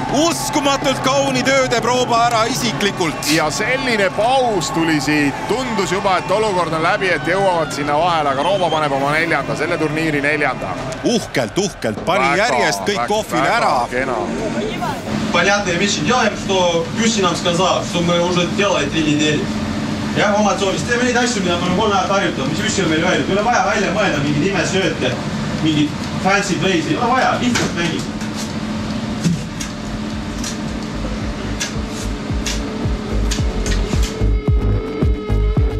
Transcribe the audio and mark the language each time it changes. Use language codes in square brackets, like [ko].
[et] Uskumatult kauni tööde prooba ära isiklikult. Ja selline paus tuli siit. Tundus juba, et olukord on läbi, et jõuavad sinna vahel, aga Rooba paneb oma neljanda, selle turniiri neljanda. Uhkelt, pani väga, järjest kõik kohvile ära. Kena. [ru] Понятные вещи делаем, что Jussi нам сказал, что мы уже делали 3 недели. [et] Ja oma tsoonis, teeme neid asju, mida me oleme kolme ajat harjutanud, mis Jussi on meil öelnud. Üle vaja välja mõelda mingid ime sööte, mingid [en] fancy plays, [et] ei ole vaja, lihtsalt mängi.